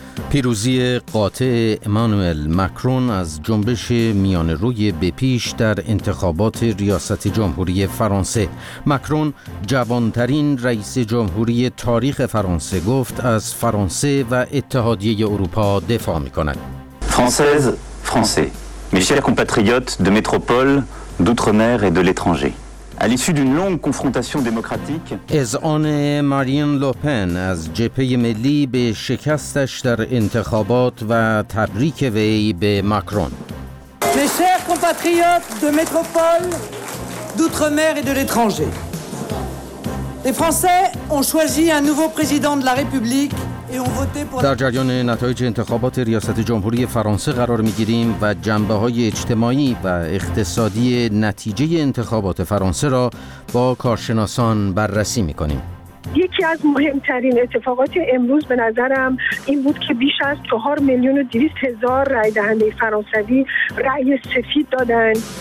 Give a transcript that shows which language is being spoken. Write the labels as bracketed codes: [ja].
[fa] پیروزی قاطع امانوئل مکرون از جنبش میان روی بپیش در انتخابات ریاست جمهوری فرانسه. مکرون جوانترین رئیس جمهوری تاریخ فرانسه گفت از فرانسه و اتحادیه اروپا دفاع می کند. [fr] فرانسیز، فرانسی، mes chers compatriotes de métropole، d'outre-mer et de l'étranger. À l'issue d'une longue confrontation démocratique, [fa] اذعان مارین لوپن از جبهه ملی به شکستش در انتخابات و تبریک وی به مکرون. [fr] Mes chers compatriotes de métropole, d'outre-mer et de l'étranger. Les Français ont choisi un nouveau président de la République. [fa] در جریان نتایج انتخابات ریاست جمهوری فرانسه قرار می‌گیریم و جنبه‌های اجتماعی و اقتصادی نتیجه انتخابات فرانسه را با کارشناسان بررسی می‌کنیم. یکی از مهمترین اتفاقات امروز به نظرم این بود که بیش از 4,200,000 رای دهنده فرانسوی رای سفید دادن.